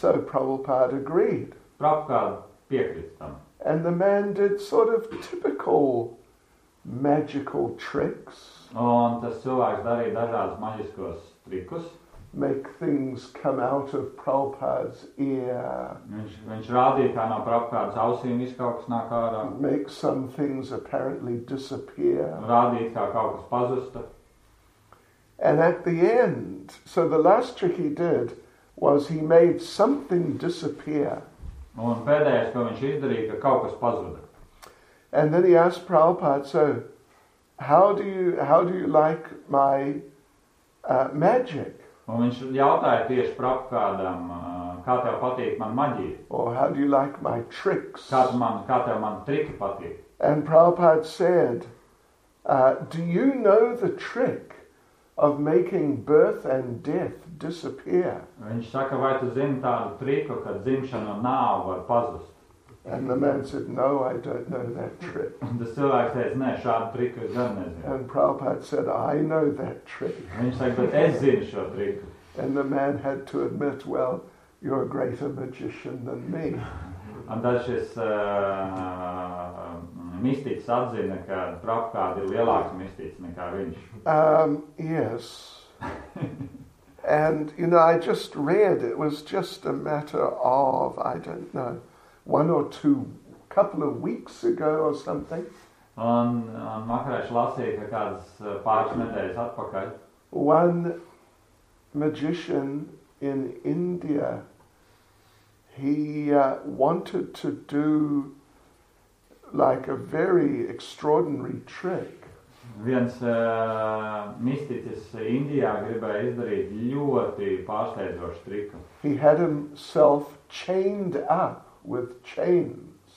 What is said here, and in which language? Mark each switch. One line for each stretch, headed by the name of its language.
English: So Prabhupada agreed.
Latvian: Prabhupāda piekrita tam.
English: And the man did sort of typical magical tricks.
Latvian: Un tas cilvēks darīja dažādas maģiskos trikus.
English: Make things come out of Prabhupāda's ear.
Latvian: Viņš rādīja, kā no Prabhupāda's ausīm viss kaut kas nāk ārā.
English: Make some things apparently disappear.
Latvian: Rādīja, kā kaut kas pazusta.
English: And at the end, so the last trick he did was he made something disappear.
Latvian: Un pēdējais, ko viņš izdarīja, ka kaut kas pazuda.
English: And then he asked Prabhupāda, so how do you like my magic?
Latvian: Un viņš jautāja tieši Prabhupādam, kā tev patīk man maģija?
English: Or how do you like my tricks?
Latvian: Kā tev man triki patīk?
English: And Prabhupāda said, do you know the trick of making birth and death disappear?
Latvian: Viņš saka, vai tu zini tādu triku, ka dzimšana un nāve var pazust?
English: And the man said, no, I don't know that trick.
Latvian: Tas cilvēks teica, ne, šādu triku es gan nezinu.
English: And Prabhupāda said, I know that trick.
Latvian: Viņš saka, bet es zinu šo triku.
English: And the man had to admit, well, you're a greater magician than me.
Latvian: Un tad šis mistiķis atzina, ka Prabhupāda ir lielāks mistiķis nekā viņš.
English: Yes. And, you know, I just read, it was just a matter of, I don't know, one or two, couple of weeks ago or something.
Latvian: Un Maharaj lasīja, ka kādas pāris nedēļas atpakaļ.
English: One magician in India, he wanted to do like a very extraordinary trick.
Latvian: Viens mistiķis Indijā gribēja izdarīt ļoti pārsteidzošu triku.
English: He had himself chained up with chains.